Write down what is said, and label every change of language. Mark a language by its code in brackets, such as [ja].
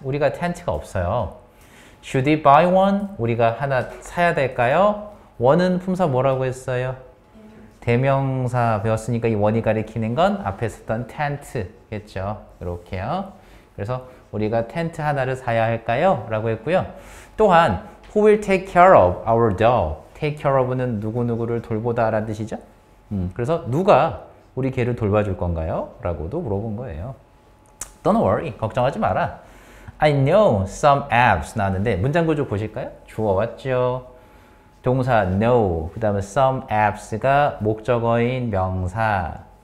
[ko] 우리가 텐트가 없어요. [en] Should we buy one? [ko] 우리가 하나 사야 될까요? One은 품사 뭐라고 했어요? 대명사 배웠으니까 이 원이 가리키는 건 앞에 썼던 텐트겠죠. 이렇게요. 그래서 우리가 텐트 하나를 사야 할까요? 라고 했고요. 또한 [en] Who will take care of our dog? [ko] Take care of는 누구누구를 돌보다 라는 뜻이죠. 그래서 누가 우리 개를 돌봐줄 건가요? 라고도 물어본 거예요. [en] Don't worry. [ko] 걱정하지 마라. [en] I know some apps [ko] 나왔는데 문장 구조 보실까요? 주어 왔죠. 동사 know 그 다음에 some apps가 목적어인 명사.